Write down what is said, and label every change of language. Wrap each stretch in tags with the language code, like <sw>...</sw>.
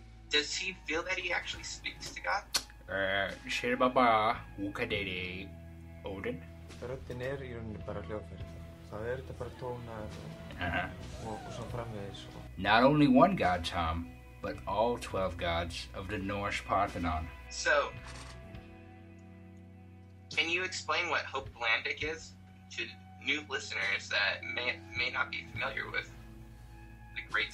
<en>Does he feel that he actually speaks to God? Shirbaba Wukadere Odin.</en> <is>Röddin er í rauninni bara hljóðfæri. Það þetta bara tóna og svo framvegis.</is> <en>Not only one god, Tom, but all 12 gods of the Norse Parthenon. So, can you explain what Hopelandic is to new listeners that may not be familiar with the great</en>